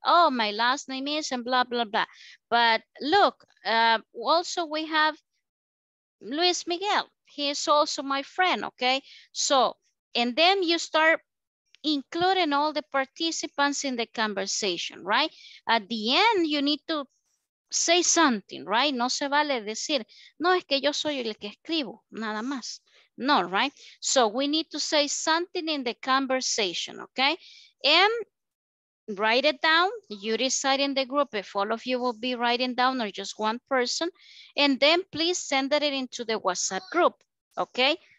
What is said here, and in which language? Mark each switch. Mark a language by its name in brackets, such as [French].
[English] Oh, my last name is and blah, blah, blah. But look, also we have Luis Miguel. He is also my friend, okay? So, and then you start including all the participants in the conversation, right? At the end, you need to say something, right? [Spanish] No se vale decir, no, es que yo soy el que escribo, nada más. [English] No, right? So we need to say something in the conversation, okay? And write it down. You decide in the group if all of you will be writing down or just one person. And then please send it into the WhatsApp group, okay?